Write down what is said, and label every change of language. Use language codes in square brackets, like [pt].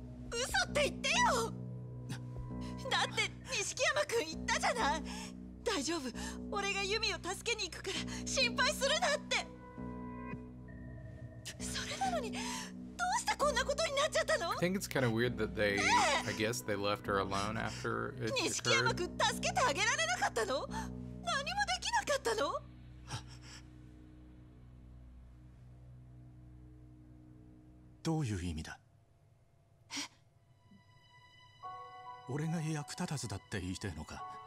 [ja] 嘘って言ってよ。だって錦山くん言ったじゃない。大丈夫、俺がユミを助けに行くから心配するなって。それなのにどうしてこんなことになっちゃったの？ [en] I think it's kind of weird that they、ね、I guess they left her alone after it occurred. [ja] 錦山くん助けてあげられなかったの？何もできなかったの？どういう意味だ？俺が役立たずだって言いてんのか？